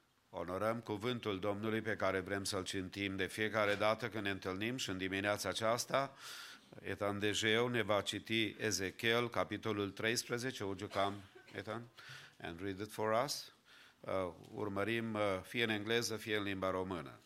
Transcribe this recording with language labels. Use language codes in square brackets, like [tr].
[ro] onorăm cuvântul Domnului pe care vrem să-l citim de fiecare dată când ne întâlnim și în dimineața aceasta. Etan Dejeu ne va citi Ezechiel, capitolul 13. [en] Would you come, Etan, and read it for us? [ro] Urmărim fie în engleză, fie în limba română.